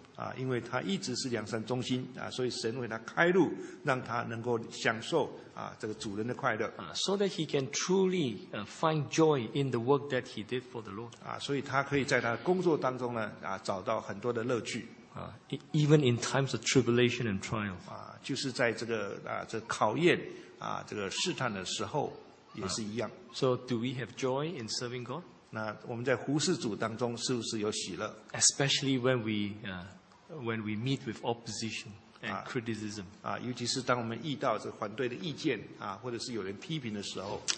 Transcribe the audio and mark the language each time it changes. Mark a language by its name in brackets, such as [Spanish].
[Chinese] 啊，因为他一直是良善忠心啊，所以神为他开路，让他能够享受啊这个主人的快乐。 [English] So that he can truly find joy in the work that he did for the Lord. [Chinese] 啊，所以他可以在他的工作当中呢啊找到很多的乐趣。 [English] Even in times of tribulation and trial. [Chinese] 啊，就是在这个啊这考验啊这个试探的时候也是一样。 [English] So do we have joy in serving God? [Chinese] 那我们在服事主当中是不是有喜乐 [English] ？Especially when we meet with opposition and criticism. [Chinese] 啊，尤其是当我们遇到这反对的意见啊，或者是有人批评的时候。